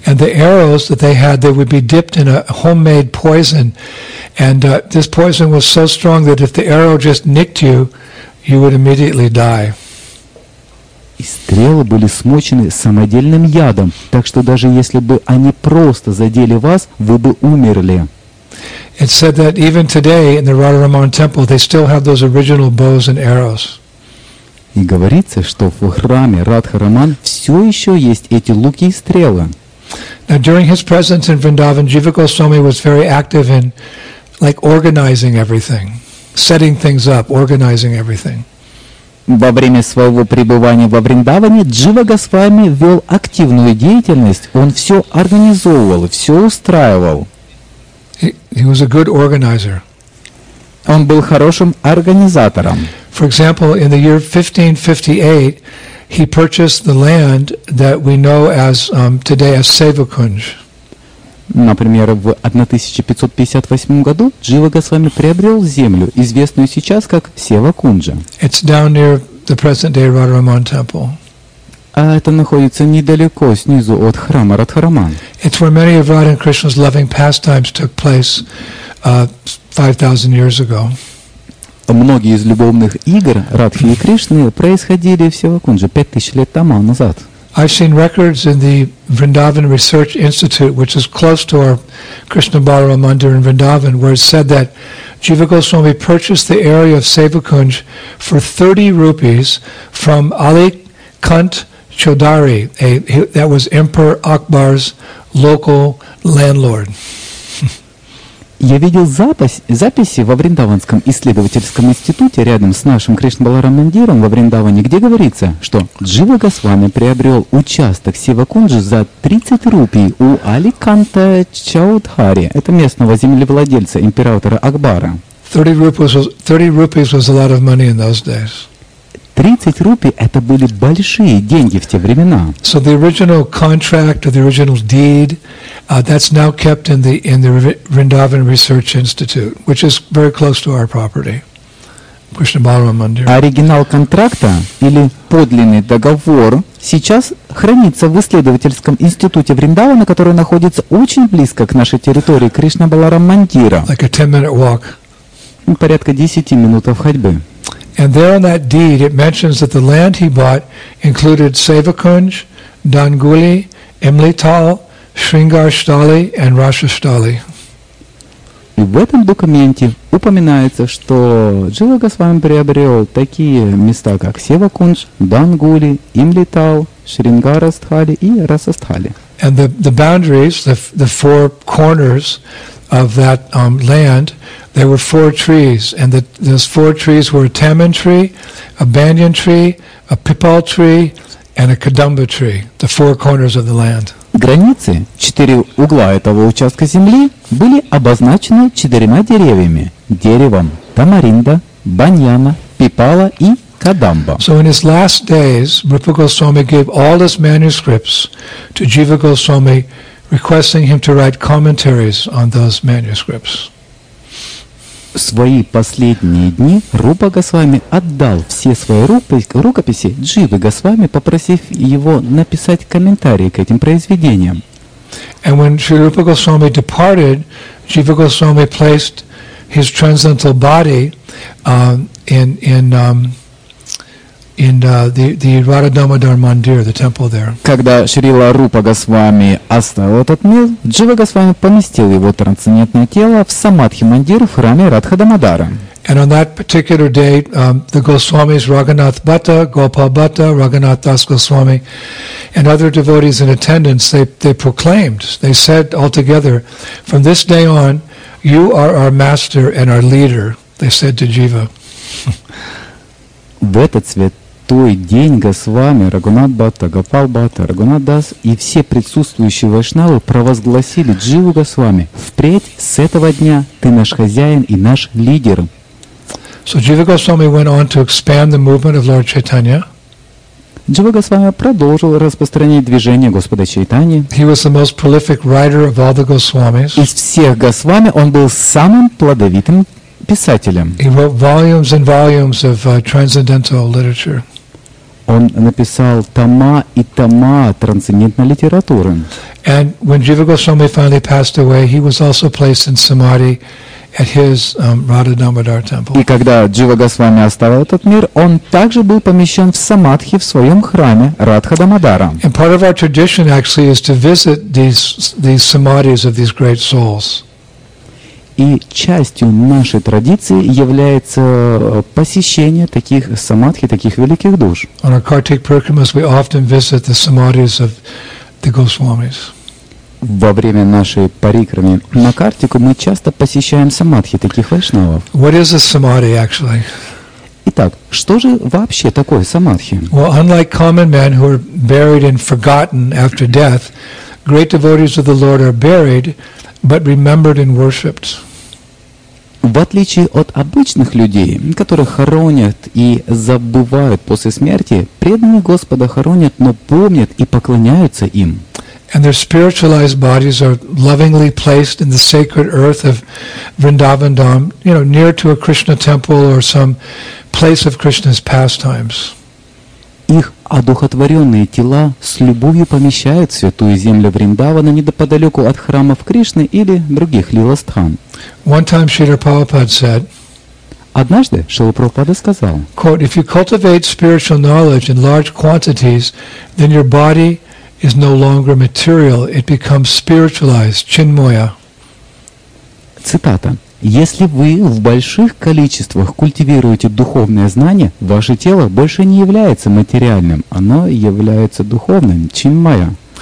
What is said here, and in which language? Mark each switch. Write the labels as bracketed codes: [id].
[en] And the arrows that they had, they would be dipped in a homemade poison, and this poison was so strong that if the arrow just nicked you, you would immediately die. [ru] И стрелы были смочены самодельным ядом, так что даже если бы они просто задели вас, вы бы умерли. [en] It said that even today in the Radharaman temple they still have those original bows and arrows. [ru] И говорится, что в храме Радхараман все еще есть эти луки и стрелы. [en] Now during his presence in Vrindavan, Jiva Goswami was very active in like organizing everything, setting things up, organizing everything. [ru] Во время своего пребывания во Вриндаване Джива Госвами вел активную деятельность. Он все организовывал, все устраивал. [en] He was a good organizer. [ru] Он был хорошим организатором. [en] For example, in the year 1558, he purchased the land that we know as today as Sevakunj. [ru] Например, в 1558 году Джива Госвами приобрел землю, известную сейчас как Севакунджа. [en] It's down near the present-day Radharaman temple. [ru] А это находится недалеко, снизу от храма Радхараман. [en] It's where many of Radha and Krishna's loving pastimes took place 5,000 years ago. [ru] Многие из любовных игр Радхи и Кришны происходили в Севакунджа 5,000 лет тому назад. [en] I've seen records in the Vrindavan Research Institute, which is close to our Krishna Balaram Mandir in Vrindavan, where it said that Jiva Goswami purchased the area of Sevakunj for 30 rupees from Ali Kant Chaudhari, that was Emperor Akbar's local landlord. [ru] Я видел записи во Вриндаванском исследовательском институте рядом с нашим Кришнабаларам Мандиром во Вриндаване, где говорится, что Джива Госвами приобрел участок Сивакунджи за 30 рупий у Аликанта Чаудхари, это местного землевладельца императора Акбара. [en] 30 rupees was a lot of money in those days. [ru] 30 рупий – это были большие деньги в те времена. [en] So the original contract, or the original deed, that's now kept in the Vrindavan Research Institute, which is very close to our property, Krishna Balaram Mandir. [ru] Оригинал контракта или подлинный договор сейчас хранится в исследовательском институте Вриндавана, который находится очень близко к нашей территории Кришна Баларам Мандира. [en] Like a 10-minute walk. [ru] Порядка 10 минут ходьбы. [en] And there on that deed, it mentions that the land he bought included Sevakunj, Danguli, Imlital, Shringarshtali, and Rashashtali. [ru] И в этом документе упоминается, что Джива Госвами приобрел такие места, как Севакунж, Дангули, Имлитал, Шрингарастхали и Расастхали. [en] And the boundaries, the four corners of that land, there were four trees, and those four trees were a tamarind tree, a banyan tree, a pipal tree, and a kadamba tree, the four corners of the land. [ru] Границы, четыре угла этого участка земли, были обозначены четырьмя деревьями – деревом тамаринда, баньяна, пипала и кадамба. [en] So in his last days, Rupa Goswami gave all his manuscripts to Jiva Goswami, requesting him to write commentaries on those manuscripts. [ru] В свои последние дни Рупа Госвами отдал все свои рукописи Дживы Госвами, попросив его написать комментарии к этим произведениям. [en] And when Sri Rupa Goswami departed, Jiva Goswami placed his transcendental body in the Radha Damodar Mandir, the temple there. [ru] Когда Шрила Рупа Госвами оставил этот мир, Джива Госвами поместил его трансцендентное тело в Самадхи Мандир в храме Радха Дамодара. [en] And on that particular day, the Goswamis Raghunath Bhatta, Gopal Bhatta, Raghunath Das Goswami, and other devotees in attendance, they proclaimed, they said all together, from this day on, you are our master and our leader, they said to Jiva. [ru] В этот святой день Госвами, Рагунат Бхатта, Гопал Бхатта, Рагунат Дас и все присутствующие вайшнавы провозгласили Дживу Госвами: «Впредь с этого дня ты наш хозяин и наш лидер». [en] So Jiva Goswami went on to expand the movement of Lord Chaitanya. [ru] Джива Госвами продолжил распространять движение Господа Чайтани. [en] He was the most prolific writer of all the Goswamis. [ru] Из всех Госвами он был самым плодовитым писателем. [en] He wrote volumes and volumes of transcendental literature. [ru] Он написал тома и тома трансцендентной литературы. [en] And when Jiva Goswami finally passed away, he was also placed in samadhi at his Radha Damodar temple. [ru] И когда Джива Госвами оставил этот мир, он также был помещен в самадхи в своем храме Радха Дамодара. [en] And part of our tradition actually is to visit these samadhis of these great souls. [ru] И частью нашей традиции является посещение таких самадхи, таких великих душ. [en] On our Kartik Purkhamas we often visit the samadhis of the Goswamis. [ru] Во время нашей парикрамы на Картику мы часто посещаем самадхи таких вайшнавов. [en] What is a samadhi actually? [ru] Итак, что же вообще такое самадхи? [en] Well, unlike common men who are buried and forgotten after death, great devotees of the Lord are buried, but remembered and worshipped. [ru] В отличие от обычных людей, которых хоронят и забывают после смерти, преданные Господа хоронят, но помнят и поклоняются им. [en] And their spiritualized bodies are lovingly placed in the sacred earth of Vrindavan Dham, you know, near to a Krishna temple or some place of Krishna's pastimes. [ru] Их одухотворенные тела с любовью помещают в святую землю Вриндавана неподалеку от храмов Кришны или других лиластхан. [en] One time Srila Prabhupada said, [ru] однажды Шрила Прабхупада сказал, [en] quote, if you cultivate spiritual knowledge in large quantities, then your body is no longer material, it becomes spiritualized, chinmoya. [ru] Цитата. Если вы в больших количествах культивируете духовное знание, ваше тело больше не является материальным, оно является духовным, чинмая.